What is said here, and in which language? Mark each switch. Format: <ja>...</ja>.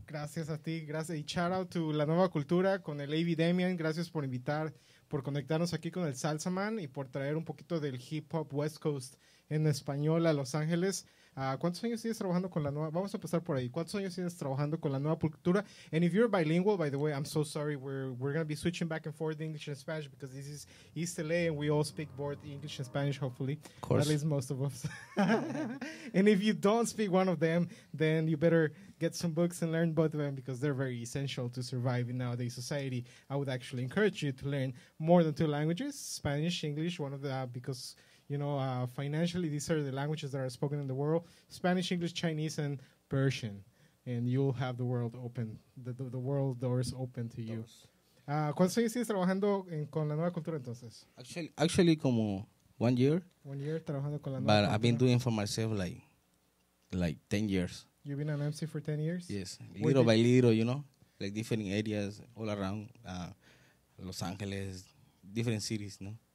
<es>Gracias a ti. Gracias. Y</es> <en>shout out</en> <es>to La Nueva Cultura con el AB Damian. Gracias por invitar, por conectarnos aquí con El Salsa Man y por traer un poquito del hip hop West Coast en español a Los Ángeles. ¿Cuántos años tienes trabajando con la nueva? Vamos a empezar por ahí. ¿Cuántos años tienes trabajando con la nueva cultura?</es> <en>And if you're bilingual, by the way, I'm so sorry. We're going to be switching back and forth English and Spanish because this is East LA and we all speak both English and Spanish, hopefully. Of course. At least most of us. And if you don't speak one of them, then you better get some books and learn both of them because they're very essential to survive in nowadays society. I would actually encourage you to learn more than two languages, Spanish, English, one of the because... You know, financially, these are the languages that are spoken in the world: Spanish, English, Chinese, and Persian. And you'll have the world open, the world doors open to you.</en> <es>¿Cuántos años estás trabajando con la nueva cultura entonces?</es> <en>Actually,</en> <es>como</es> <en>1 year. 1 year</en> <es>trabajando con la nueva cultura.</es> <en>But I've been doing for myself like 10 years. You've been an MC for 10 years. Yes, little by little, you know, like different areas all around Los Angeles, different cities, no.</en>